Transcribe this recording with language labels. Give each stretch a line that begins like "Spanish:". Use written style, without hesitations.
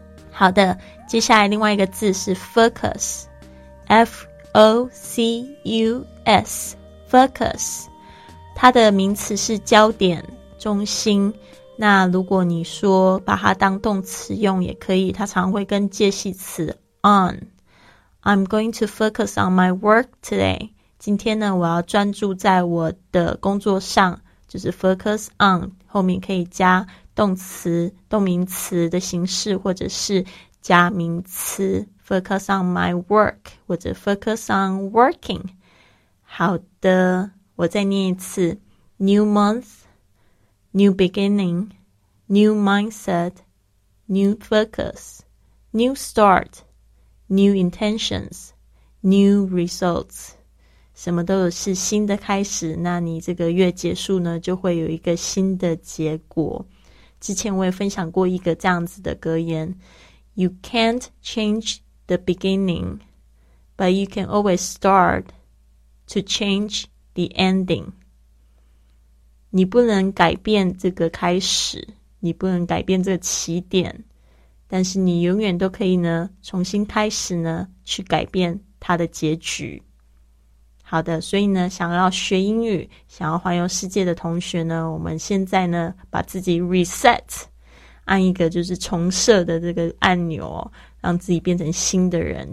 Chinese: 好的，接下来另外一个字是 focus， F-O-C-U-S， focus， 它的名词是焦点、中心。那如果你说把它当动词用也可以，它常会跟介系词 on。
English: I'm going to focus on my work today.
Chinese: 今天呢，我要专注在我的工作上，就是 focus on， 后面可以加动词、动名词的形式，或者是加名词，
English: focus on my work，
Chinese: 或者
English: focus on working. 好的，我再念一次， new month, new beginning, new mindset, new focus, new start,New intentions, new results.
Chinese: 什么都是新的开始，那你这个月结束呢，就会有一个新的结果。之前我也分享过一个这样子的格言，
English: You can't change the beginning, but you can always start to change the ending.
Chinese: 你不能改变这个开始，你不能改变这个起点，但是你永远都可以呢重新开始呢去改变它的结局。好的，所以呢想要学英语想要环游世界的同学呢，我们现在呢把自己 reset， 按一个就是重设的这个按钮，让自己变成新的人。